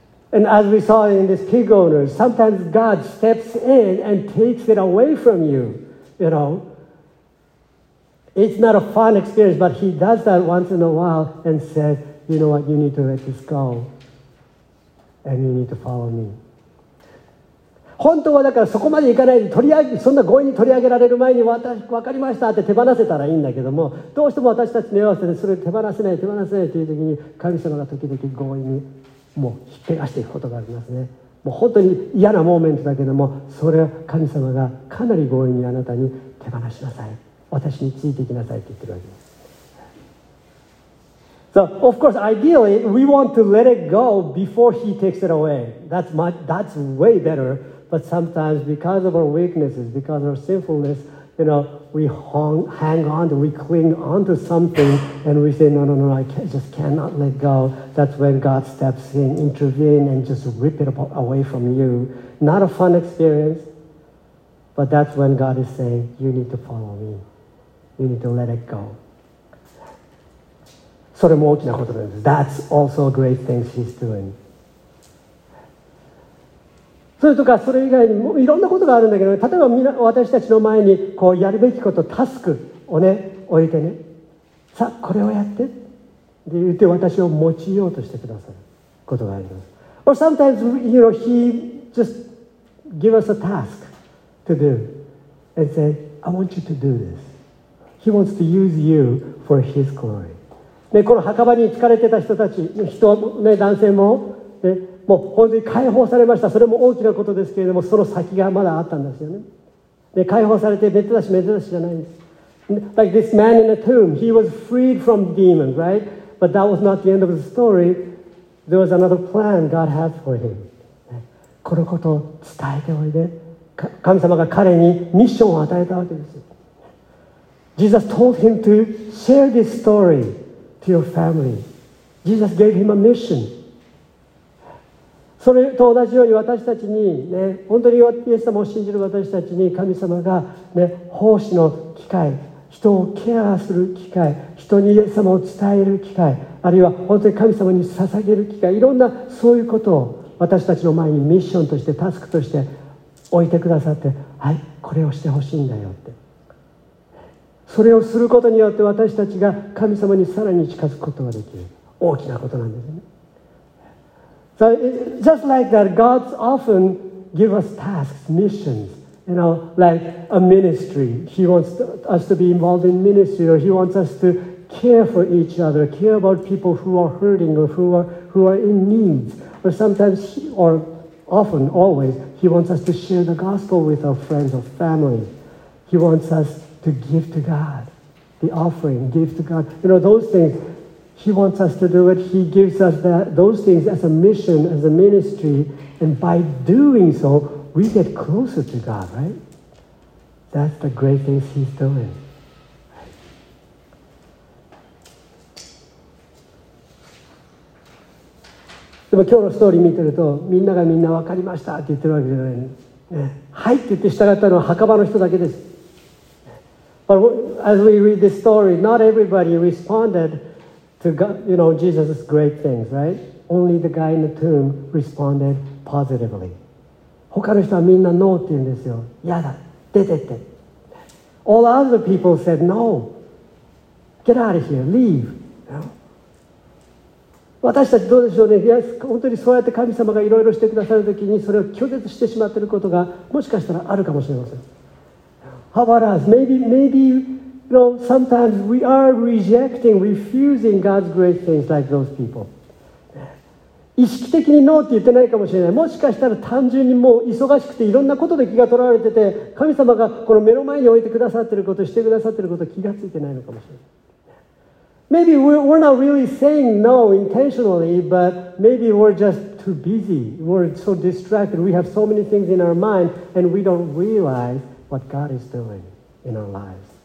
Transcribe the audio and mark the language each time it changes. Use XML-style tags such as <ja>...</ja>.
<en>And as we saw in this pig owner, sometimes God steps in and takes it away from you. You know, it's not a fun experience, but he does that once in a while and says, you know what, you need to let this go and you need to follow me.</en> <ja>本当はだからそこまでいかないで取り上げ、そんな強引に取り上げられる前に私分かりましたって手放せたらいいんだけども、どうしても私たちの弱さでそれ手放せない手放せないという時に、神様が時々強引にもう引っ掛かしていくことがありますね。もう本当に嫌なモーメントだけども、それは神様がかなり強引にあなたに手放しなさい、私についていきなさいって言ってるわけです。</ja> <en>So, of course, ideally, we want to let it go before he takes it away. That's way better. But sometimes, because of our weaknesses, because of our sinfulness, you know, we hang on, we cling on to something, and we say, no, I just cannot let go. That's when God steps in, intervene, and just rip it away from you. Not a fun experience, but that's when God is saying, you need to follow me. You need to let it go.</en> <ja>それも大きなことです。</ja> <en>That's also a great thing she's doing.</en> <ja>それとかそれ以外にもいろんなことがあるんだけど、例えば私たちの前にこうやるべきこと、タスクをね、置いてね、さあこれをやってって言って私を持ちようとしてくださることがあります。</ja> <en>Or sometimes, you know, he just give us a task to do and say, I want you to do this. He wants to use you for his glory.</en> <ja>ね、この墓場に疲れてた人たち、人、ね、男性も、ね、もう本当に解放されました。それも大きなことですけれども、その先がまだあったんですよね。ね、解放されて、めでたしじゃないんです。</ja> <en>Like this man in the tomb, he was freed from demons, right? But that was not the end of the story. There was another plan God had for him.、ね、</en> <ja>このことを伝えておいで。神様が彼にミッションを与えたわけですよ。</ja> <en>Jesus told him to share this story. To your family. Jesus gave him a mission.</en> <ja>それと同じように私たちに、ね、本当にイエス様を信じる私たちに神様が、ね、奉仕の機会、人をケアする機会、人にイエス様を伝える機会、あるいは本当に神様に捧げる機会、いろんなそういうことを私たちの前にミッションとしてタスクとして置いてくださって、はい、これをしてほしいんだよって、それをすることによって私たちが神様にさらに近づくことができる。大きなことなんですね。</ja> <en>So, just like that, God often gives us tasks, missions, you know, like a ministry. He wants us to be involved in ministry, or he wants us to care for each other, care about people who are hurting or who are in need. Or sometimes, or often, always, he wants us to share the gospel with our friends or family. He wants us to give to God, the offering, give to God. You know, those things, he wants us to do it. He gives us that, those things as a mission, as a ministry. And by doing so, we get closer to God, right? That's the great things he's doing.</en> <ja>でも今日のストーリー見てるとみんながみんな分かりましたって言ってるわけじゃない、ね、はいって言って従ったのは墓場の人だけです。</ja> <en>But as we read this story, not everybody responded to God, you know, Jesus' great things, right? Only the guy in the tomb responded positively.</en> <ja>他の人はみんなノーって言うんですよ。やだ、出てって。</ja> <en>All other people said no. Get out of here, leave.</en> <ja>私たちどうでしょうね。いや、本当にそうやって神様がいろいろしてくださるときにそれを拒絶してしまっていることがもしかしたらあるかもしれません。</ja> <en>How about us? Maybe, you know, sometimes we are rejecting, refusing God's great things like those people.</en> <ja>意識的にノーって言ってないかもしれない。もしかしたら単純にもう忙しくていろんなことで気が取られてて、神様がこの目の前に置いてくださっていること、してくださっていること気がついてないのかもしれない。</ja> <en>Maybe we're not really saying no intentionally, but maybe we're just too busy. We're so distracted. We have so many things in our mind, and we don't realize what God is doing in our lives.</en>